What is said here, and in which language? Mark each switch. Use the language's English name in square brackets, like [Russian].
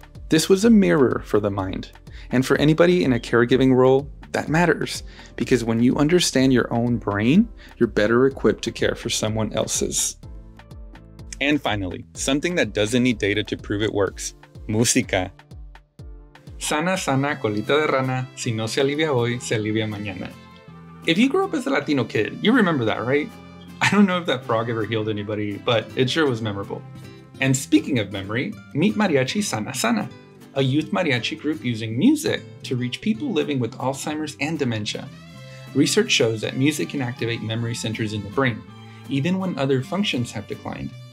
[English] This was a mirror for the mind. And for anybody in a caregiving role, that matters. Because when you understand your own brain, you're better equipped to care for someone else's. And finally, something that doesn't need data to prove it works, música. [Spanish] Sana, sana, colita de rana. Si no se alivia hoy, se alivia mañana. [English] If you grew up as a Latino kid, you remember that, right? I don't know if that frog ever healed anybody, but it sure was memorable. And speaking of memory, meet Mariachi Sana Sana, a youth mariachi group using music to reach people living with Alzheimer's and dementia. Research shows that music can activate memory centers in the brain, even when other functions have declined.